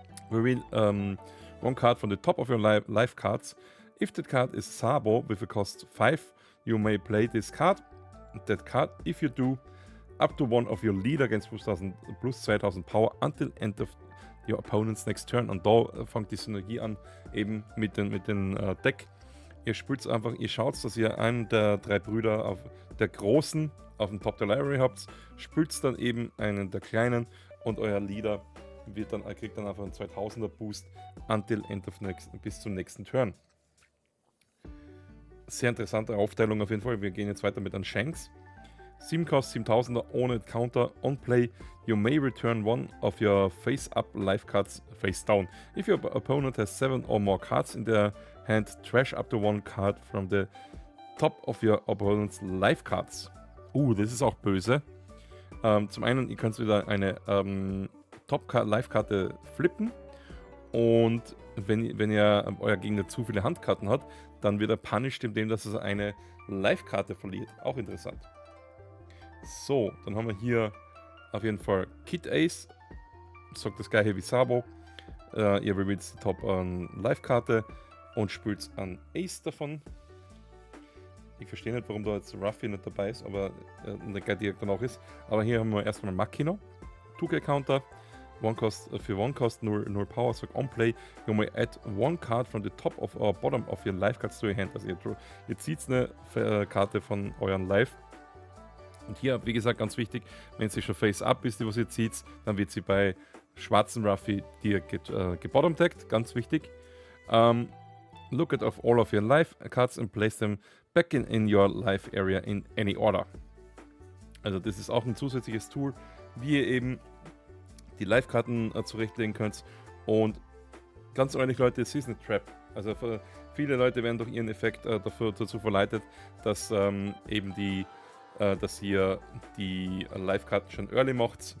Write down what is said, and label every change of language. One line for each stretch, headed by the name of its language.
English: Reveal one card from the top of your life cards. If that card is Sabo with a cost 5, you may play this card. That card, if you do, up to one of your leader gains plus 2000 power until end of your opponent's next turn.
German: Und da fängt die Synergie an, eben mit den Deck. Ihr spielt es einfach, ihr schaut, dass ihr einen der drei Brüder auf der Großen auf dem Top der Library habt, spielt dann eben einen der Kleinen und euer Leader kriegt dann einfach einen 2000er Boost
English: until end of next,
German: bis zum nächsten Turn. Sehr interessante Aufteilung auf jeden Fall. Wir gehen jetzt weiter mit einem Shanks. 7 cost 7000er ohne Counter on play.
English: You may return one of your face up life cards face down. If your opponent has 7 or more cards in their hand, trash up to one card from the top of your opponent's life cards.
German: Das ist auch böse. Zum einen, ihr könnt wieder eine Top-Life-Karte flippen und wenn ihr euer Gegner zu viele Handkarten hat, dann wird er punished, indem dass er eine Life-Karte verliert. Auch interessant. So, dann haben wir hier auf jeden Fall Kid Ace. Sagt das gleiche wie Sabo. Ihr revealt die Top Life-Karte und spielt an Ace davon. Ich verstehe nicht, warum da jetzt Ruffy nicht dabei ist, aber der Guide auch ist. Aber hier haben wir erstmal Makino. 2K-Counter. One cost, für One Cost, 0 Power, sagt on play.
English: You may add one card from the top of or bottom of your life cards to your hand.
German: Also ihr zieht eine Karte von euren Life. Und hier, wie gesagt, ganz wichtig, wenn sie schon face up ist, die was ihr zieht, dann wird sie bei schwarzen Ruffy dir gebottomtagged. Ganz wichtig.
English: Look at all of your life cards and place them back in your life area in any order.
German: Also das ist auch ein zusätzliches Tool, wie ihr eben die Live-Karten zurechtlegen könnt. Und ganz ehrlich, Leute, es ist eine Trap. Also viele Leute werden durch ihren Effekt dazu verleitet, dass eben die dass ihr die Live-Karten schon early macht.